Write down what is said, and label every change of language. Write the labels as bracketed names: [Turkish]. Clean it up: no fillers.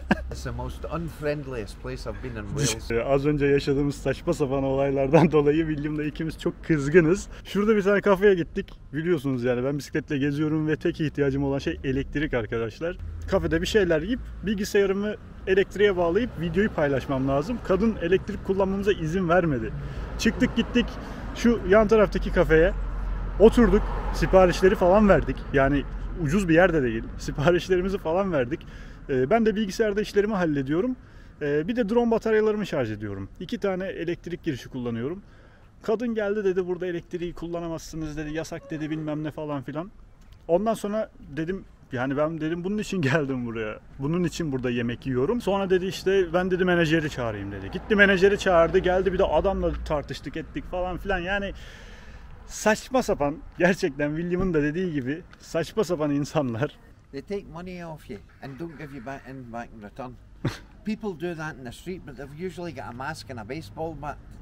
[English] It's the most unfriendliest place I've been in Wales. [Turkish] Az önce yaşadığımız saçma sapan olaylardan dolayı William'la ikimiz çok kızgınız. Şurada bir tane kafeye gittik. Biliyorsunuz yani ben bisikletle geziyorum ve tek ihtiyacım olan şey elektrik arkadaşlar. Kafede bir şeyler yiyip bilgisayarımı elektriğe bağlayıp videoyu paylaşmam lazım. Kadın elektrik kullanmamıza izin vermedi. Çıktık gittik şu yan taraftaki kafeye. Oturduk, siparişleri falan verdik. Yani ucuz bir yerde değil. Siparişlerimizi falan verdik. Ben de bilgisayarda işlerimi hallediyorum. Bir de drone bataryalarımı şarj ediyorum. İki tane elektrik girişi kullanıyorum. Kadın geldi dedi burada elektriği kullanamazsınız dedi. Yasak dedi bilmem ne falan filan. Ondan sonra dedim yani ben dedim bunun için geldim buraya. Bunun için burada yemek yiyorum. Sonra dedi işte ben dedi menajeri çağırayım dedi. Gitti menajeri çağırdı geldi bir de adamla tartıştık ettik falan filan yani. Saçma sapan, gerçekten William'ın da dediği gibi saçma sapan insanlar. [English] They take money off you and don't give you back in back in return. People do that in the street, but they've usually got a mask and a baseball bat.